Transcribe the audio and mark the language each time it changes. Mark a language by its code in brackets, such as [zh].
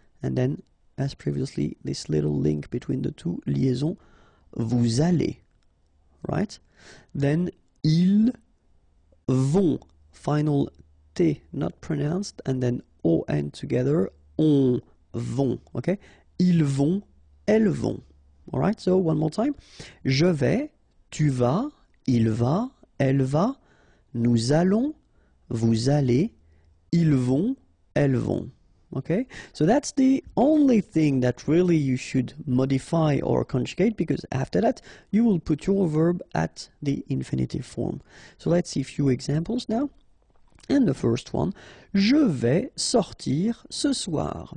[en] And then, as previously, this little link between the two, liaison, [fr] vous allez. [en] Right? Then, [fr] ils vont. [en] Final T not pronounced, and then O and together, on vont, okay? [fr] Ils vont, elles vont. [en] Alright, so one more time. [fr] Je vais, tu vas, il va, elle va, nous allons, vous allez, ils vont, elles vont. [en] Okay, so that's the only thing that really you should modify or conjugate, because after that, you will put your verb at the infinitive form. So let's see a few examples now. And the first one, [fr] je vais sortir ce soir.